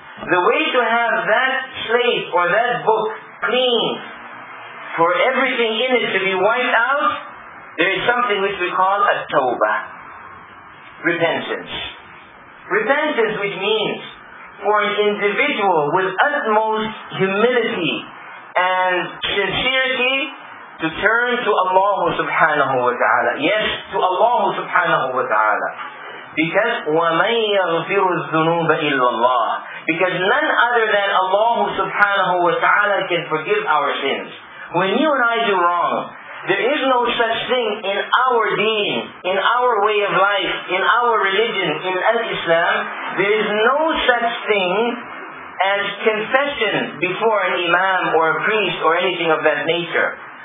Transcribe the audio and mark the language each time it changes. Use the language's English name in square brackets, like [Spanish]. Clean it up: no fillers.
[English] The way to have that slate or that book clean, for everything in it to be wiped out, there is something which we call a tawbah, repentance. Repentance, which means for an individual with utmost humility and sincerity to turn to Allah subhanahu wa ta'ala. Yes, to Allah subhanahu wa ta'ala. Because [Arabic] وَمَن يَغْفِرُ الذُّنُوبَ إِلَّا اللَّهِ. [English] Because none other than Allah subhanahu wa ta'ala can forgive our sins. When you and I do wrong, there is no such thing in our deen, in our way of life, in our religion, in Al-Islam, there is no such thing as confession before an imam or a priest or anything of that nature.